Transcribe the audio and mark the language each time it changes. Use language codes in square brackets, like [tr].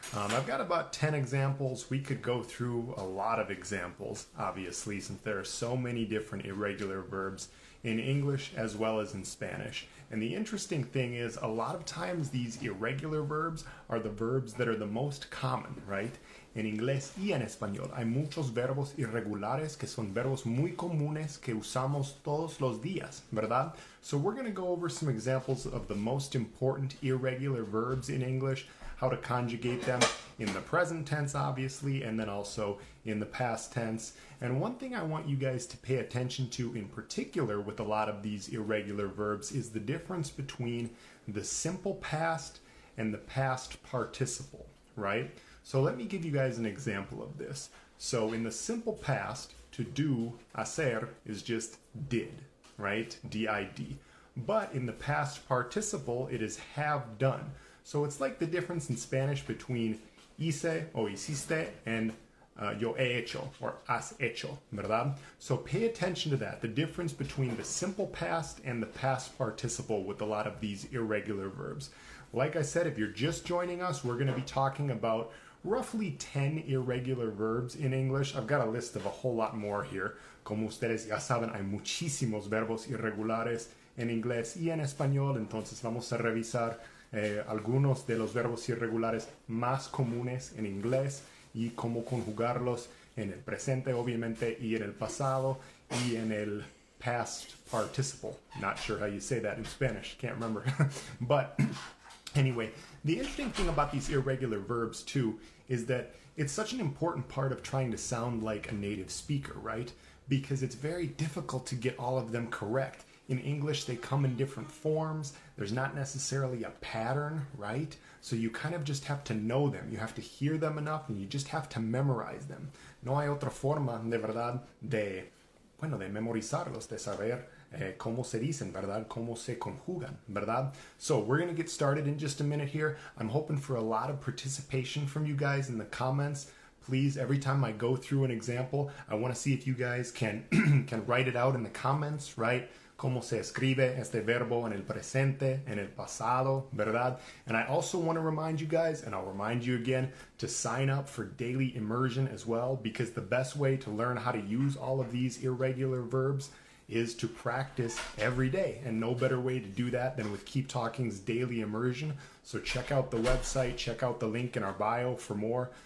[en] I've got about 10 examples. We could go through a lot of examples, obviously, since there are so many different irregular verbs in English as well as in Spanish. And the interesting thing is, a lot of times these irregular verbs are the verbs that are the most common, right? [es] En inglés y en español hay muchos verbos irregulares que son verbos muy comunes que usamos todos los días, ¿verdad? [en] So we're going to go over some examples of the most important irregular verbs in English, how to conjugate them in the present tense, obviously, and then also in the past tense. And one thing I want you guys to pay attention to in particular with a lot of these irregular verbs is the difference between the simple past and the past participle, right? So let me give you guys an example of this. So in the simple past, to do, hacer, is just did, right? D-I-D. But in the past participle, it is have done. So it's like the difference in Spanish between [es] hice o hiciste [en] and [es] yo he hecho [en] or [es] has hecho, ¿verdad? [en] So pay attention to that, the difference between the simple past and the past participle with a lot of these irregular verbs. Like I said, if you're just joining us, we're going to be talking about roughly 10 irregular verbs in English. I've got a list of a whole lot more here. [es] Como ustedes ya saben, hay muchísimos verbos irregulares en inglés y en español. Entonces vamos a revisar algunos de los verbos irregulares más comunes en inglés y cómo conjugarlos en el presente, obviamente, y en el pasado y en el past participle. [en] Not sure how you say that in Spanish. Can't remember. But anyway, the interesting thing about these irregular verbs, too, is that it's such an important part of trying to sound like a native speaker, right? Because it's very difficult to get all of them correct. In English, they come in different forms. There's not necessarily a pattern, right? So you kind of just have to know them. You have to hear them enough, and you just have to memorize them. [es] No hay otra forma, de verdad, de memorizarlos, de saber cómo se dicen, ¿verdad? Cómo se conjugan, ¿verdad? [en] So we're going to get started in just a minute here. I'm hoping for a lot of participation from you guys in the comments. Please, every time I go through an example, I want to see if you guys can can write it out in the comments, right? [es] Cómo se escribe este verbo en el presente, en el pasado, ¿verdad? [en] And I also want to remind you guys, and I'll remind you again, to sign up for daily immersion as well, because the best way to learn how to use all of these irregular verbs is to practice every day, and no better way to do that than with Keep Talking's daily immersion. So check out the website, check out the link in our bio for more.